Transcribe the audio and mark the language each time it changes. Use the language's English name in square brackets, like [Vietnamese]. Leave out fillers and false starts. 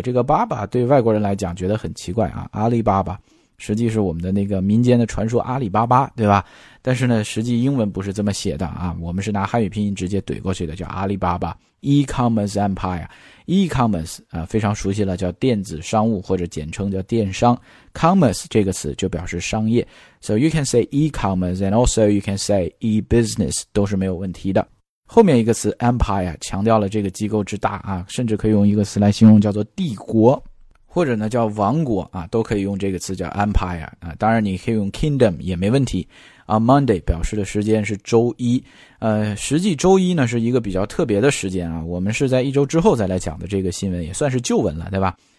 [Chinese] 这个巴巴对外国人来讲觉得很奇怪啊，阿里巴巴实际是我们的那个民间的传说阿里巴巴，对吧？但是呢，实际英文不是这么写的啊，我们是拿汉语拼音直接怼过去的，叫阿里巴巴 [English] e-commerce empire。 [Chinese] e-commerce 啊，非常熟悉了，叫电子商务或者简称叫电商。 commerce 这个词就表示商业 ， [English] so you can say e-commerce and also you can say e-business [Chinese] 都是没有问题的。后面一个词 empire 强调了这个机构之大啊，甚至可以用一个词来形容，叫做帝国。或者呢叫王国啊，都可以用这个词叫 empire 啊，当然你可以用 kingdom 也没问题。 [English] On Monday [Chinese] 表示的时间是周一，实际周一呢是一个比较特别的时间啊，我们是在一周之后再来讲的这个新闻，也算是旧闻了，对吧？